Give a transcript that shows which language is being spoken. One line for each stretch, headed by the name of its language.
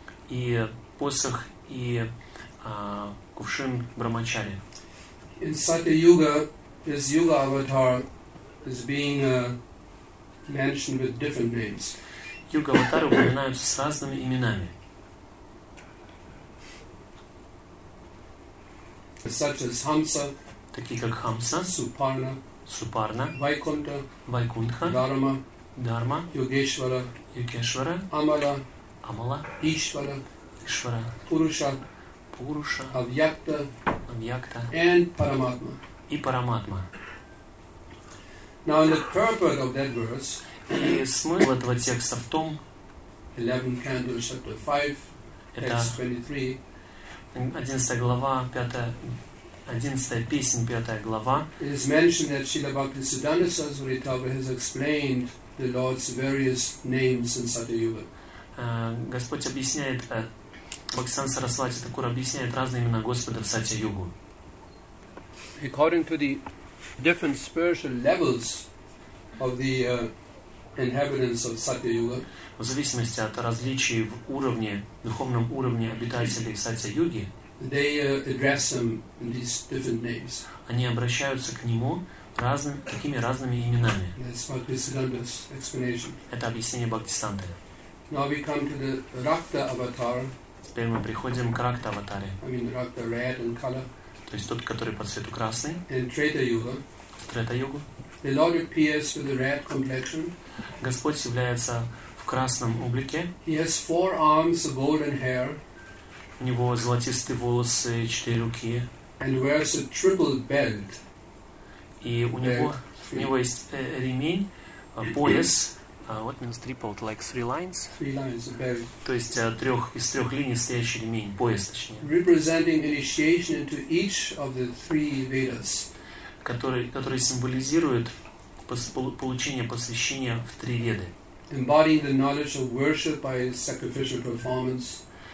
Russian: И посох и кувшин брахмачари.
English: In Satya Yuga, this Yuga avatar is being mentioned with different names.
Russian: Yuga avatar упоминаются с разными именами.
English: Such as Hamsa,
Russian: такие как Хамса,
English: Suparna,
Russian: Suparna,
English: Vaikuntha,
Russian: Vaikuntha,
English: Dharma,
Russian: Dharma,
English: Yogeshwara,
Russian: Yogeshwara,
English: Amala,
Russian: Amala,
English: Ishvara,
Russian: Ishvara,
English: Purusha,
Russian: Purusha,
English: Avyakta,
Russian: Avyakta,
English: and Paramatma.
Russian: И Параматма.
English: Now in the purport of that verse,
Russian: и смысл этого текста в том,
English: 11 canto, chapter 5,
Russian: это 11 глава, 5, 11 песен, 5 глава.
English: It is mentioned that Srila Bhaktisiddhanta Saraswati Thakur has explained the Lord's various names in Satya Yuga.
Russian: Господь объясняет, Бхактисиддханта Сарасвати Такур объясняет разные имена Господа в Сатья Югу.
English: According to the different spiritual levels of the inhabitants of Satya Yuga.
Russian: В зависимости от различий в уровне, духовном уровне обитателей Сатья Юги.
English: They address him in these different names.
Russian: Они обращаются к нему такими разными именами.
English: That's Bhaktisiddhanta's explanation.
Russian: Это объяснение Бхактисиддханты.
English: Now we come to the Rakta avatar.
Russian: Теперь мы приходим к Ракта аватаре.
English: I mean, Rakta red in color.
Russian: То есть тот, который по цвету красный.
English: And Treta Yuga.
Russian: Treta Yuga.
English: The Lord appears with a red complexion.
Russian: Господь является в красном облике.
English: He has four arms, golden hair.
Russian: У него золотистые волосы, четыре руки.
English: And wears a triple belt.
Russian: И у него есть ремень, пояс.
English: What means tripled, like three lines? Three lines, very.
Russian: То есть из трех линий стоящий ремень, пояс точнее.
English: Representing initiation into each of the three Vedas.
Russian: Который символизирует получение посвящения в три Веды.
English: Embodying the knowledge of worship by sacrificial performance.